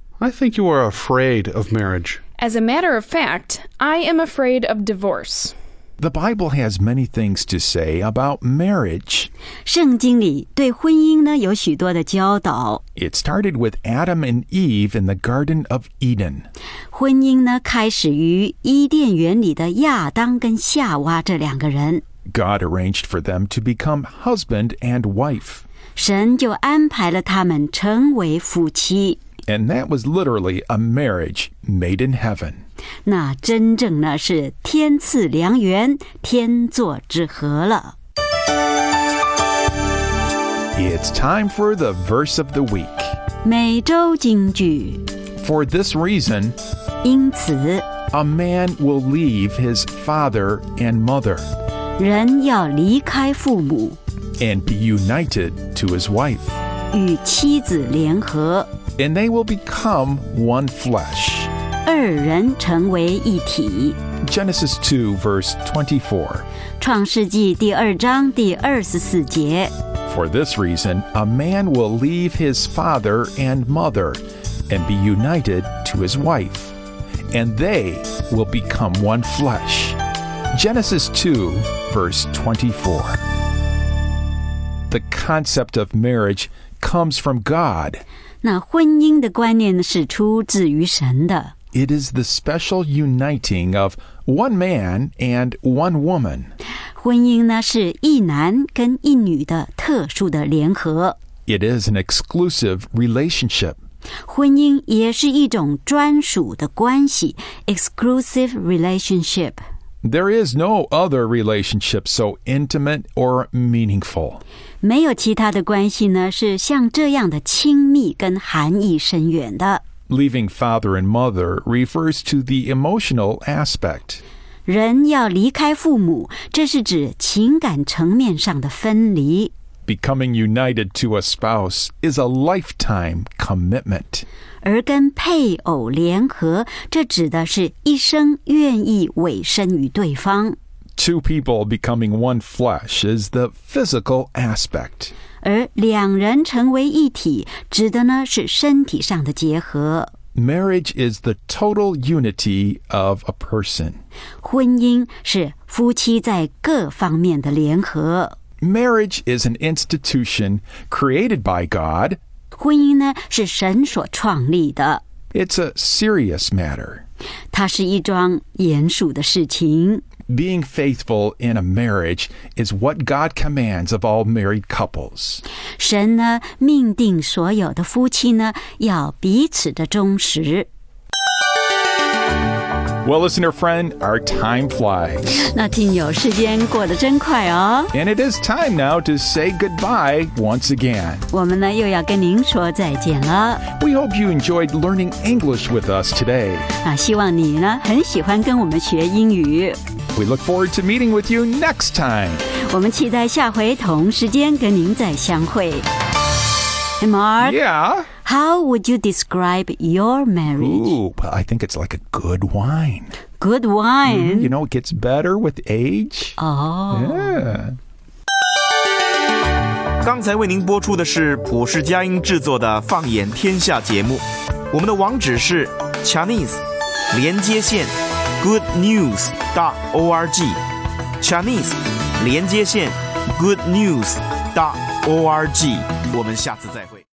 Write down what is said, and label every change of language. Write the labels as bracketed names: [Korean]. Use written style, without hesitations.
[English] I think you are afraid of marriage. As a matter of fact, I am afraid of divorce. The Bible has many things to say about marriage. [Chinese] 圣经里对婚姻呢有许多的教导。 [English] It started with Adam and Eve in the Garden of Eden. [Chinese] 婚姻呢开始于伊甸园里的亚当跟夏娃这两个人。 [English] God arranged for them to become husband and wife. [Chinese] 神就安排了他们成为夫妻。 [English] And that was literally a marriage made in heaven. [Chinese] 那真正呢是天赐良缘，天作之合了。 [English] It's time for the verse of the week. [Chinese] 每周金句。 [English] For this reason, [Chinese] 因此。 [English] A man will leave his father and mother. [Chinese] 人要离开父母。 [English] And be united to his wife. [Chinese] 与妻子联合。 [English] And they will become one flesh. [Chinese] 二人成为一体。 [English] Genesis 2 verse 24. [Chinese] 创世纪第二章第二十四节。 [English] For this reason, a man will leave his father and mother and be united to his wife. And they will become one flesh. Genesis 2, verse 24. The concept of marriage comes from God. [Chinese] 那婚姻的观念是出自于神的。 [English] It is the special uniting of one man and one woman. [Chinese] 婚姻呢是一男跟一女的特殊的联合。 [English] It is an exclusive relationship. [Chinese] 婚姻也是一种专属的关系 [English] exclusive relationship. There is no other relationship so intimate or meaningful. [Chinese] 没有其他的关系呢是像这样的亲密跟含义深远的。 [English] Leaving father and mother refers to the emotional aspect. [Chinese] 人要离开父母，这是指情感层面上的分离。 [English] Becoming united to a spouse is a lifetime commitment. [Chinese] 而跟配偶联合，这指的是一生愿意委身于对方。 [English] Two people becoming one flesh is the physical aspect. [Chinese] 而两人成为一体，指的呢是身体上的结合。 [English] Marriage is the total unity of a person. [Chinese] 婚姻是夫妻在各方面的联合。 [English] Marriage is an institution created by God. [Chinese] 婚姻呢是神所创立的。 [English] It's a serious matter. [Chinese] 它是一桩严肃的事情。 [English] Being faithful in a marriage is what God commands of all married couples. [Chinese] 神呢命定所有的夫妻呢要彼此的忠实。 [English] Well, listener friend, our time flies. [Chinese] 那听友时间过得真快哦。 [English] And it is time now to say goodbye once again. [Chinese] 我们呢又要跟您说再见了。 [English] We hope you enjoyed learning English with us today. [Chinese] 那希望你呢很喜欢跟我们学英语。 [English] We look forward to meeting with you next time. [Chinese] 我们期待下回同时间跟您再相会。 [English] Hey, Mark. Yeah? How would you describe your marriage? Ooh, well, I think it's like a good wine. Good wine? Mm-hmm. You know, it gets better with age. Oh. Yeah. [Chinese] 刚才为您播出的是普世佳音制作的《放眼天下》节目。我们的网址是 Chinese 连接线 goodnews.org Chinese 连接线 goodnews.org 我们下次再会。